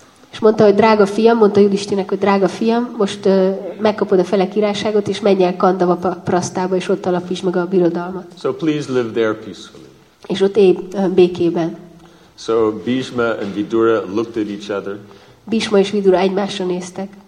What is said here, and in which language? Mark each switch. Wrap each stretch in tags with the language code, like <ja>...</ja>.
<hu>És mondta, hogy drága fiam, mondta Yudhishthirnek, hogy drága fiam, most megkapod a fele királyságot, és menj el Kandava Prasthába, és ott alapíts meg a birodalmat.</hu> <en>So please live there peacefully.</en> <hu>És ott élj békében.</hu> <en>So Bhishma and Vidura looked at each other.</en> <hu>Bhishma és Vidura egymásra néztek.</hu>